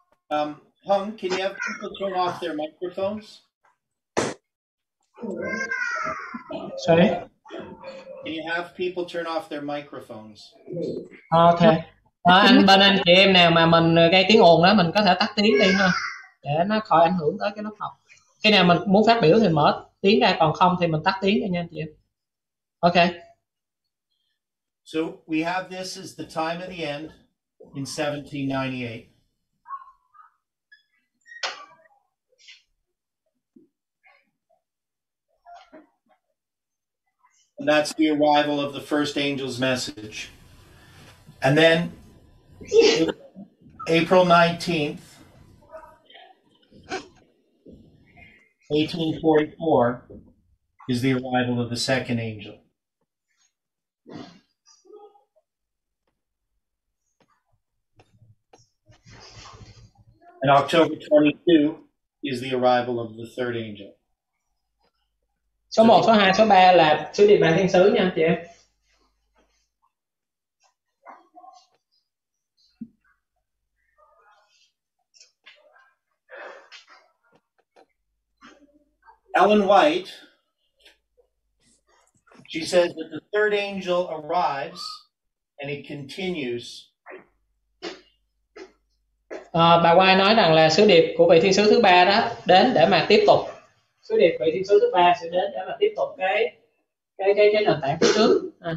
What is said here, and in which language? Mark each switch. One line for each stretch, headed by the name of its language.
English: Hung, can you have people turn off their microphones? Sorry? Can you have people turn off their microphones? Okay.
Vietnamese: anh bên anh chị em nào mà mình gây tiếng ồn đó, mình có thể tắt tiếng đi ha, để nó khỏi ảnh hưởng tới cái lớp học. Khi nào mình muốn phát biểu thì mở tiếng ra, còn không thì mình tắt tiếng đi nha anh chị em.
English: Okay. So we have this as the time of the end in 1798. And that's the arrival of the first angel's message. And then April 19th, 1844, is the arrival of the second angel. And October 22 is the arrival of the third angel.
Vietnamese: Số 1, số 2, số 3 là sứ điệp bàn thiên sứ nha chị em.
English: Ellen White, she says that the third angel arrives and he continues.
Vietnamese: Bà White nói rằng là sứ điệp của vị thiên sứ thứ ba đó đến để mà tiếp tục. Sứ điệp vị thiên sứ thứ ba sẽ đến để mà tiếp tục cái nền tảng phía trước.